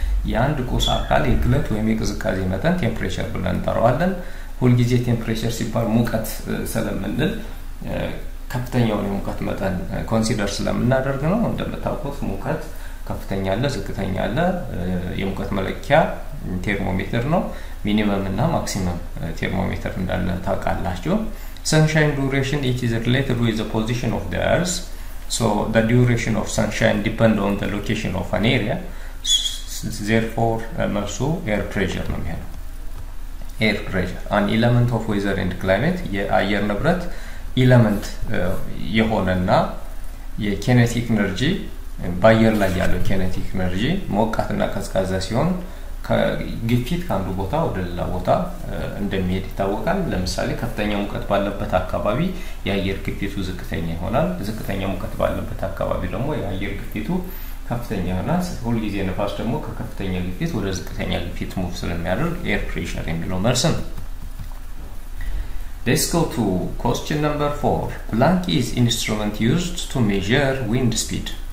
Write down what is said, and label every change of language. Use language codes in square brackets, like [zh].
[am] ያንድ ቁስ አካል የግለት ወይም የቅዝቃዜ መጠን ቴምፕሬቸር ብለን ጠራዋለን። ሁልጊዜ ቴምፕሬቸር ሲባል ሙቀት ስለምንል ከፍተኛውን የሙቀት መጠን ኮንሲደር ስለምናደርግ ነው። እንደምታውቁት ሙቀት ከፍተኛ አለ፣ ዝቅተኛ አለ። የሙቀት መለኪያ ቴርሞሜትር ነው። ሚኒመም እና ማክሲመም ቴርሞሜትር እንዳለ ታውቃላችሁ። ሰንሻይን ዱሬሽን [en] it is related with the position of the earth. So the duration of sunshine depends on the location of an area. Therefore, [am] መልሱ air pressure ነው የሚሆነው። [en] Air pressure, an element of weather and climate, [am] የአየር ንብረት element የሆነና የኬነቲክ ኤነርጂ በአየር ላይ ያለው ኬነቲክ ኤነርጂ ሞቃትና ቀዝቃዛ ሲሆን ግፊት ካንዱ ቦታ ወደ ሌላ ቦታ እንደሚሄድ ይታወቃል። ለምሳሌ ከፍተኛ ሙቀት ባለበት አካባቢ የአየር ግፊቱ ዝቅተኛ ይሆናል። ዝቅተኛ ሙቀት ባለበት አካባቢ ደግሞ የአየር ግፊቱ ከፍተኛ ይሆናል። ሁልጊዜ ንፋስ ደግሞ ከከፍተኛ ግፊት ወደ ዝቅተኛ ግፊት ሙቭ ስለሚያደርግ ኤር ፕሬሽር የሚለው መልስ ነው። [en] Let's go to question number 4. Planck is an instrument used to measure wind speed.